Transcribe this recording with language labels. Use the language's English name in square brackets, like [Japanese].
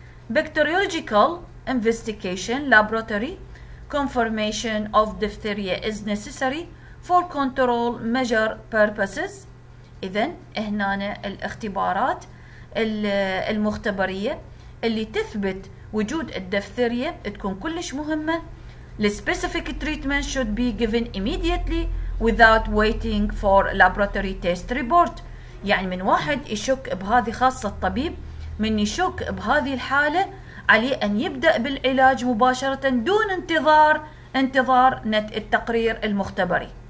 [English] Bacteriological investigation laboratory confirmation of diphtheria is necessary for control measure purposes. [Arabic] اذا هنا الاختبارات المختبريه اللي تثبت وجود الدفثيريا تكون كلش مهمه. [English] The specific treatment should be given immediately without waiting for laboratory test report. [Arabic] يعني من واحد يشك بهذه، خاصة الطبيب من يشك بهذه الحالة عليه أن يبدأ بالعلاج مباشرة دون انتظار التقرير المختبري.